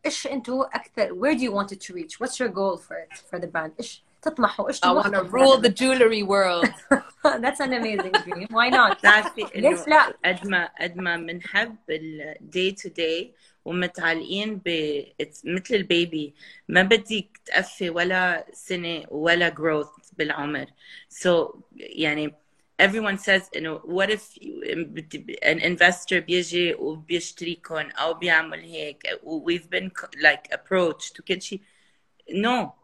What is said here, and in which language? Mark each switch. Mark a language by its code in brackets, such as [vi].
[ar] إيش أنتو أكثر, [en] where do you want it to reach? What's your goal for it, for the brand? [ar] إيش? تطمحوا ايش [en] تطمحوا I want to rule the jewelry world. That's an amazing dream. Why not? [ar] ليش لا؟ قد ما بنحب ال [en] day to day [ar] ومتعلقين ب it's مثل البيبي ما بديك تقفي ولا سنة ولا growth بالعمر. [en] So يعني everyone says you know what if an investor [ar] بيجي وبيشتريكم أو بيعمل هيك [en] we've been like approached to [ar] كل شيء. [en] No.